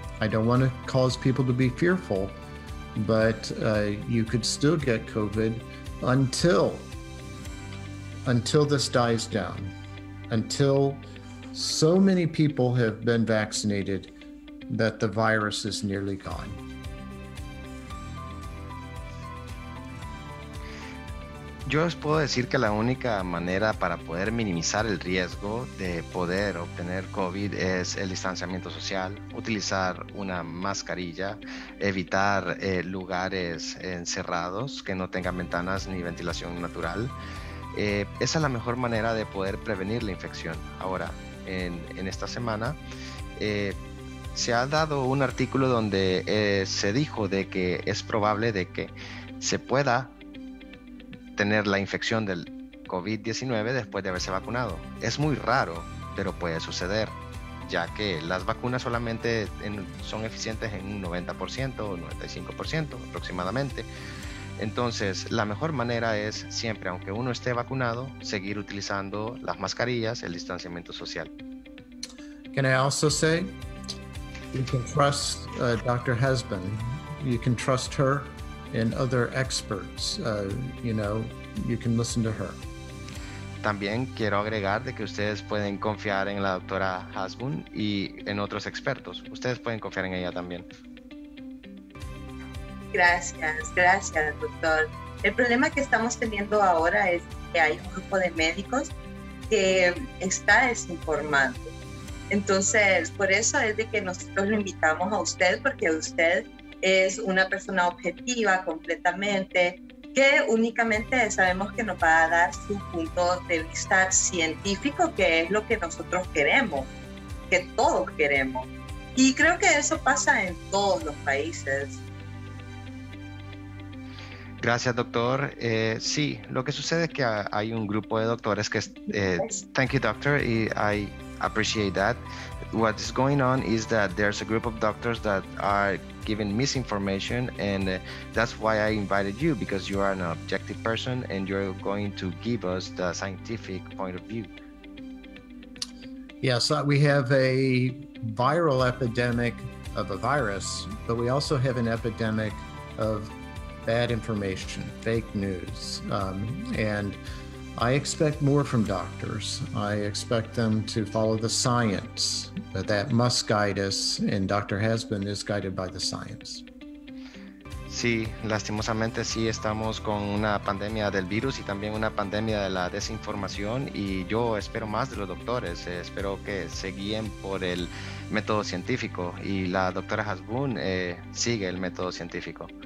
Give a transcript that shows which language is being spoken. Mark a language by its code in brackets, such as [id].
[en] I don't want to cause people to be fearful, but you could still get COVID until this dies down, until so many people have been vaccinated that the virus is nearly gone. [es] Yo os puedo decir que la única manera para poder minimizar el riesgo de poder obtener COVID es el distanciamiento social, utilizar una mascarilla, evitar lugares encerrados que no tengan ventanas ni ventilación natural. Esa es la mejor manera de poder prevenir la infección. Ahora, en esta semana, se ha dado un artículo donde se dijo de que es probable de que se pueda tener la infección del COVID-19 después de haberse vacunado. Es muy raro, pero puede suceder, ya que las vacunas solamente son eficientes en un 90% o 95% aproximadamente. Entonces, la mejor manera es siempre, aunque uno esté vacunado, seguir utilizando las mascarillas, el distanciamiento social. [en] Can I also say, you can trust Dr. Hesban. You can trust her and other experts. You can listen to her. [es] También quiero agregar de que ustedes pueden confiar en la doctora Hesban y en otros expertos. Ustedes pueden confiar en ella también. Gracias, gracias, doctor. El problema que estamos teniendo ahora es que hay un grupo de médicos que está desinformando. Entonces, por eso es de que nosotros lo invitamos a usted, porque usted es una persona objetiva completamente, que únicamente sabemos que nos va a dar su punto de vista científico, que es lo que nosotros queremos, que todos queremos. Y creo que eso pasa en todos los países. Gracias, doctor. Sí, lo que sucede es que hay un grupo de doctores que... [en] thank you, doctor, I appreciate that. What is going on is that there's a group of doctors that are giving misinformation, and that's why I invited you, because you are an objective person and you're going to give us the scientific point of view. Yes, we have a viral epidemic of a virus, but we also have an epidemic of bad information, fake news. And I expect more from doctors. I expect them to follow the science that must guide us, and Dr. Hesban is guided by the science. [es] Sí, lastimosamente sí estamos con una pandemia del virus y también una pandemia de la desinformación, y yo espero más de los doctores, espero que se guíen por el método científico, y la doctora Hesban sigue el método científico.